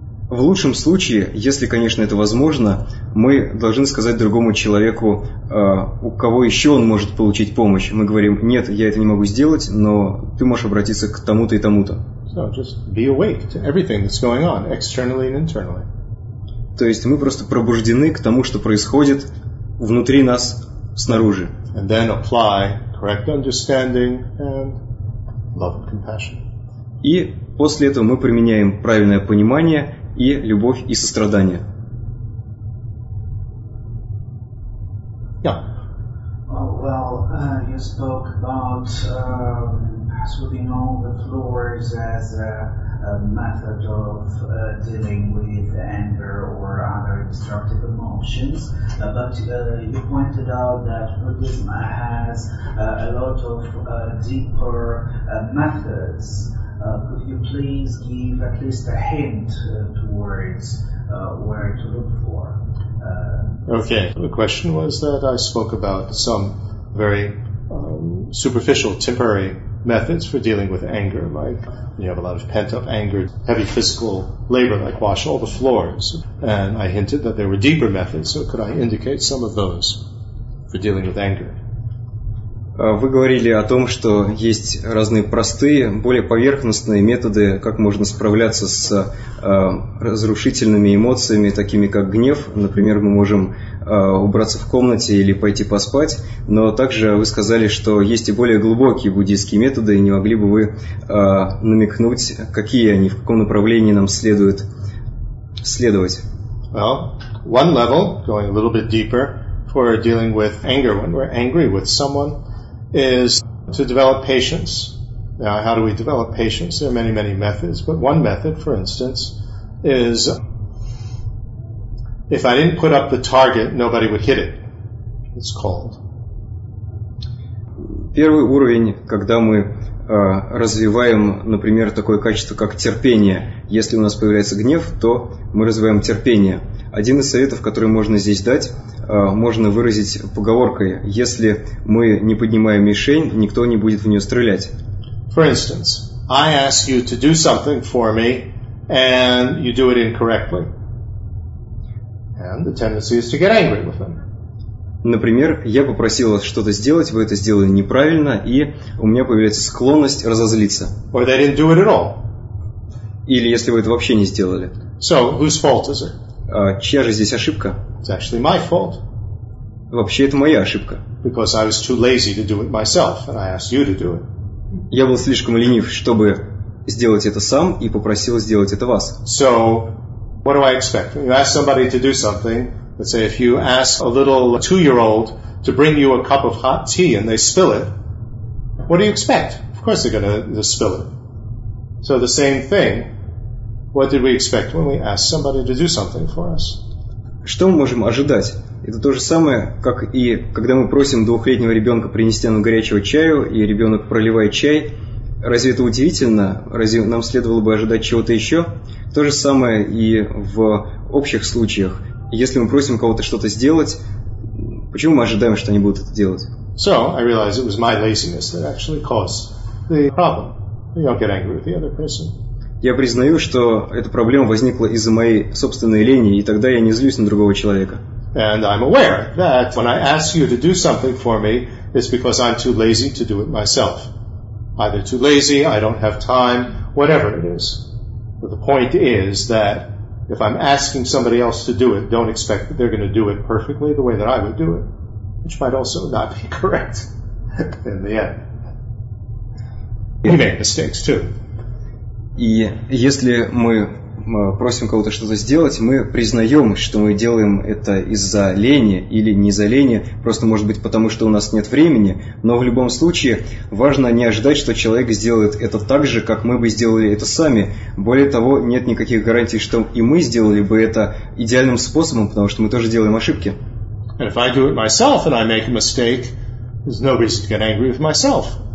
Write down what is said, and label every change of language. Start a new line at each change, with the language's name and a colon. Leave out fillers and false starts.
Russian: В лучшем случае, если, конечно, это возможно, мы должны сказать другому человеку, у кого еще он может получить помощь. Мы говорим, нет, я это не могу сделать, но ты можешь обратиться к тому-то и тому-то.
English: So just be awake to everything that's going on, externally and internally.
Russian: То есть мы просто пробуждены к тому, что происходит внутри нас, снаружи.
English: And then apply correct understanding and love and compassion.
Russian: И после этого мы применяем правильное понимание и любовь и сострадание.
English: Yeah. Oh, well, you spoke about sweeping all the floors as a method of dealing with anger or other destructive emotions. But you pointed out that Buddhism has a lot of deeper methods. Could you please give at least a hint towards where to look for? Okay, the question was that I spoke about some very superficial, temporary methods for dealing with anger, like when you have a lot of pent-up anger, heavy physical labor, like wash all the floors. And I hinted that there were deeper methods, so could I indicate some of those for dealing with anger?
Russian: Вы говорили о том, что есть разные простые, более поверхностные методы, как можно справляться с разрушительными эмоциями, такими как гнев. Например, мы можем убраться в комнате или пойти поспать. Но также вы сказали, что есть и более глубокие буддийские методы, и не могли бы вы намекнуть, какие они, в каком направлении нам следует следовать?
English: Well, one level, going a little bit deeper, for dealing with anger, when we're angry with someone, is to develop patience. Now, how do we develop patience? There are many, many methods, but one method, for instance, is if I didn't put up the target, nobody would hit it. It's called.
Russian: Первый уровень, когда мы развиваем, например, такое качество, как терпение. Если у нас появляется гнев, то мы развиваем терпение. Один из советов, который можно здесь дать, можно выразить поговоркой. Если мы не поднимаем мишень, никто не будет в нее стрелять.
English: For instance, I ask you to do something for me, and you do it incorrectly. And the tendency is to get angry with them.
Russian: Например, я попросил вас что-то сделать, вы это сделали неправильно, и у меня появляется склонность разозлиться.
English: Or they didn't do it at all.
Russian: Или если вы это вообще не сделали.
English: So, whose fault is it?
Russian: Чья же здесь ошибка?
English: It's actually my fault.
Russian: Вообще, это моя ошибка.
English: Because I was too lazy to do it myself, and I asked you to do it.
Russian: Я был слишком ленив, чтобы сделать это сам, и попросил сделать это вас.
English: So, what do I expect? When you ask somebody to do something, let's say if you ask a little two-year-old to bring you a cup of hot tea and they spill it, what do you expect? Of course they're going to spill it. So the same thing, what did we expect when we ask somebody to do something for us?
Russian: Что мы можем ожидать? Это то же самое, как и когда мы просим двухлетнего ребенка принести нам горячего чаю, и ребенок проливает чай. Разве это удивительно? Разве нам следовало бы ожидать чего-то еще? То же самое и в общих случаях. Если мы просим кого-то что-то сделать, почему мы ожидаем, что они будут это делать?
English: So, I realized it was my laziness that actually caused the problem. You don't get angry with the other person.
Russian: Я признаю, что эта проблема возникла из-за моей собственной лени, и тогда я не злюсь на другого человека.
English: And I'm aware that when I ask you to do something for me, it's because I'm too lazy to do it myself. Either too lazy, I don't have time, whatever it is. But the point is that if I'm asking somebody else to do it, don't expect that they're going to do it perfectly the way that I would do it, which might also not be correct in the end. We make mistakes too.
Russian: И если мы просим кого-то что-то сделать, мы признаем, что мы делаем это из-за лени или не из-за лени, просто, может быть, потому что у нас нет времени, но в любом случае важно не ожидать, что человек сделает это так же, как мы бы сделали это сами. Более того, нет никаких гарантий, что и мы сделали бы это идеальным способом, потому что мы тоже делаем ошибки.
English: And if I do it myself and I make a mistake, there's no reason to get angry with myself.